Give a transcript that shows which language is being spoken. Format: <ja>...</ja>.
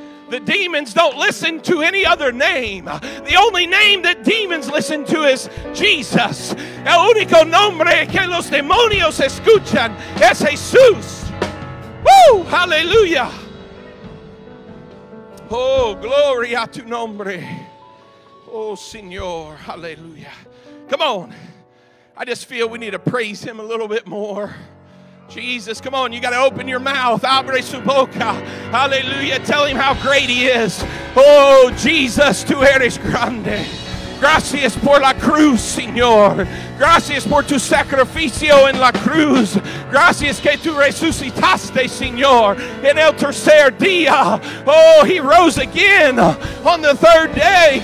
<en>The demons don't listen to any other name. The only name that demons listen to is Jesus.</en> <es>El único nombre que los demonios escuchan es Jesús.</es> <en>Woo! Hallelujah.</en> <es>Oh, gloria a tu nombre. Oh, Señor. Hallelujah.</es> <en>Come on. I just feel we need to praise him a little bit more. Jesus, come on, you got to open your mouth.</en> <es>Abre su boca.</es> <en>Hallelujah. Tell him how great he is.</en> <es>Oh, Jesus, tú eres grande. Gracias por la cruz, Señor. Gracias por tu sacrificio en la cruz. Gracias que tú resucitaste, Señor, en el tercer día.</es> <en>Oh, he rose again on the third day.</en>